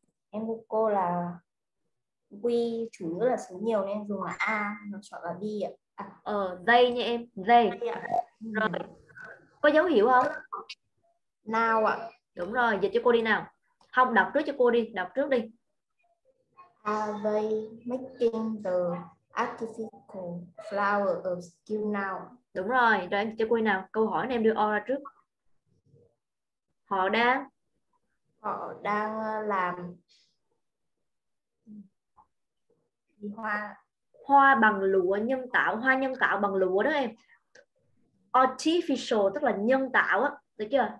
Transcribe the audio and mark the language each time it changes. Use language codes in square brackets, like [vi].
[vi] Em của cô là quy chủ ngữ là số nhiều nên dùng là A, nó chọn là B ạ. Ờ, dây nha em, dây. Rồi, có dấu hiệu không? Nào ạ. Đúng rồi, dịch cho cô đi nào. Không, đọc trước cho cô đi, đọc trước đi. [en] Are they making the artificial flower of skill now? [vi] Đúng rồi, rồi em cho cô đi nào. Câu hỏi này em đưa O ra trước. Họ đang làm hoa. Hoa bằng lụa nhân tạo, hoa nhân tạo bằng lụa đó em. Artificial tức là nhân tạo á, được chưa?